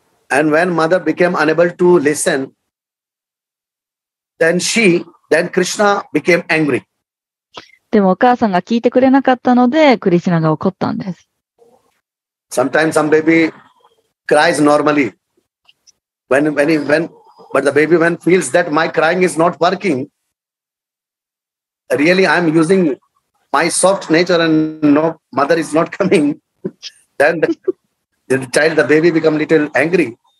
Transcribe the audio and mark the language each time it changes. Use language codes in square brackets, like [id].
[en] And when mother became unable to listen, then Krishna became angry. [ja] でもお母さんが聞いてくれなかったので、クリシュナが怒ったんです。 [en] Sometimes some baby cries normally. But the baby feels that my crying is not working, really I'm using my soft nature and no mother is not coming, then the baby become little angry.